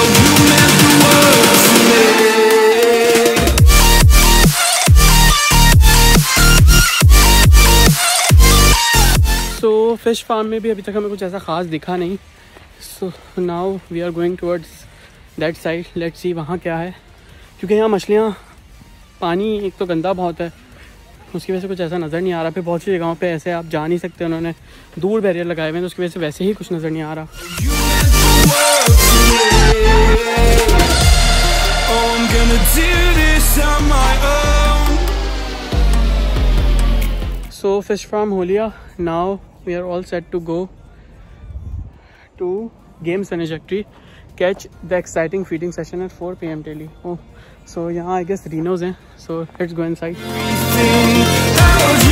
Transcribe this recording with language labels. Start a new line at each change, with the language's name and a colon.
English: Oh, you meant the world to me.
Hindi: So fish farm mein bhi abhi tak hume kuch aisa khas dikha nahi.
English: So now we are going towards that side. Let's see
Hindi: वहाँ क्या है, क्योंकि यहाँ मछलियाँ पानी एक तो गंदा बहुत है उसकी वजह से कुछ ऐसा नज़र नहीं आ रहा. फिर बहुत सी जगहों पे ऐसे आप जा नहीं सकते, उन्होंने दूर बैरियर लगाए हुए हैं तो उसकी वजह से वैसे ही कुछ नज़र नहीं आ रहा.
English: So fish farm
Hindi: हो लिया,
English: now we are all set to go to Games Energy, catch the exciting feeding session at 4 p.m. daily. Oh, so yeah, I guess rhinos hain. So let's go inside.